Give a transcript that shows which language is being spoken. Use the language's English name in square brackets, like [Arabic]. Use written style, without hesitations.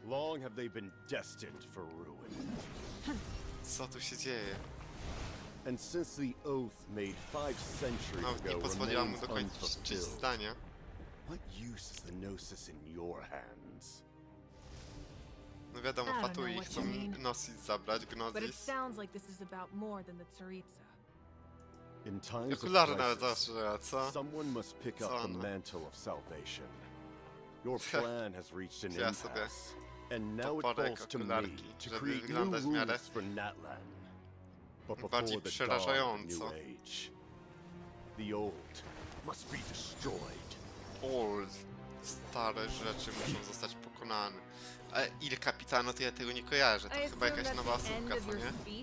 [English] Long have they been destined for ruin. [Polish] Co tu się dzieje? [English] And since the oath made 5 centuries ago, [Polish] nie pozwoliła mu dokończyć zdania. [English] What use is the Gnosis in your hands? [Polish] No wiadomo, Fatui chcą Gnosis zabrać, Gnosis. [English] But it sounds like this is about more than the Tsaritsa. In times of crisis, someone must pick up the mantle of salvation. Your plan has reached an impasse, and now it falls to me to create new rules for Natlan. But before the dawn of new age, the old must be destroyed. [Polish] Old, stare rzeczy muszą zostać pokonane. A Il Capitano, to ja tego nie kojarzę. To chyba jakaś nowa osobka, co nie?